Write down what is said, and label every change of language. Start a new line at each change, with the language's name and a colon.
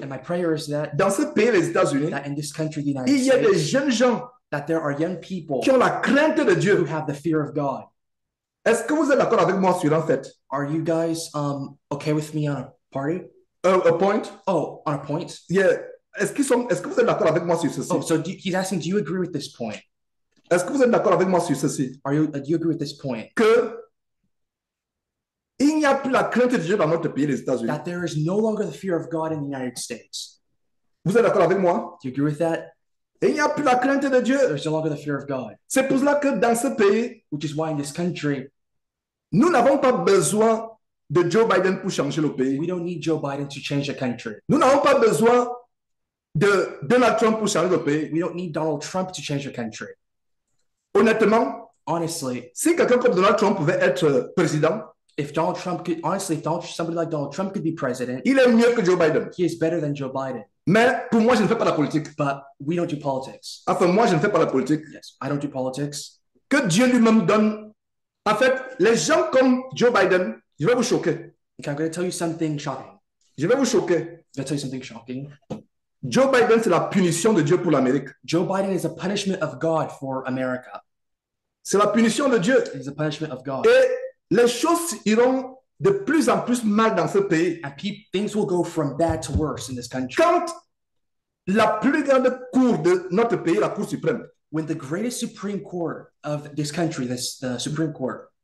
English: And my prayer is that.
French: Dans ce pays les États-Unis.
English: That in this country the United
French: States. Il y a des jeunes gens.
English: That there are young people.
French: Qui ont la crainte de Dieu.
English: Who have the fear of God.
French: Est-ce que vous êtes d'accord avec moi sur un fait?
English: Are you guys okay with me on a party? A point? Oh, on a point? Yeah.
French: Est-ce que vous êtes d'accord avec moi sur ceci?
English: Oh, so he's asking, do you agree with this point?
French: Est-ce que vous êtes d'accord avec moi sur ceci?
English: Do you agree with this point?
French: Que il n'y a plus la crainte de Dieu dans notre pays, les États-Unis.
English: That there is no longer the fear of God in the United States.
French: Vous êtes d'accord avec moi?
English: Do you agree with that?
French: Il n'y a plus la crainte de Dieu.
English: There's no longer the fear of God.
French: C'est pour cela que dans ce pays,
English: which is why in this country,
French: nous n'avons pas besoin de Joe Biden pour changer le pays.
English: We don't need Joe Biden to change the country.
French: Nous n'avons pas besoin de Donald Trump pour changer le pays.
English: We don't need Donald Trump to change your country.
French: Honnêtement,
English: honestly,
French: si quelqu'un comme Donald Trump pouvait être président,
English: somebody like Donald Trump could be president,
French: il est mieux que Joe Biden.
English: He is better than Joe Biden.
French: Mais pour moi, je ne fais pas la politique.
English: But we don't do politics.
French: Enfin, moi, je ne fais pas la politique.
English: Yes, I don't do politics.
French: Que Dieu lui-même donne. En fait, les gens comme Joe Biden, je vais vous choquer.
English: Okay, I'm going to tell you something shocking.
French: Je vais vous choquer.
English: I'm going to tell you something shocking.
French: Joe Biden, c'est la punition de Dieu pour l'Amérique.
English: Joe Biden is a punishment of God for America.
French: C'est la punition de Dieu.
English: It's a punishment of God.
French: Et les choses iront de plus en plus mal dans ce pays.
English: And things will go from bad to worse in this country.
French: Quand la plus grande cour de notre pays, la Cour suprême,
English: when the greatest Supreme Court of this country, the Supreme Court,